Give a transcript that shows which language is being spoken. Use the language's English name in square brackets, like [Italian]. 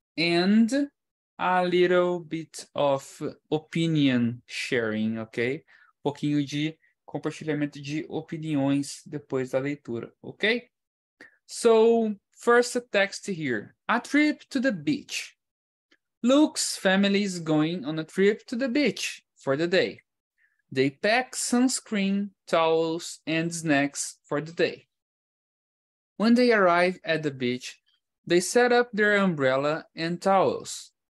[English] And a little bit of opinion sharing, ok? [Portuguese] Um pouquinho de compartilhamento de opiniões depois da leitura, ok? [English] So, first text here. A trip to the beach. Luke's family is going on a trip to the beach for the day. They pack sunscreen, towels, and snacks for the day. When they arrive at the beach, they set up their umbrella and towels.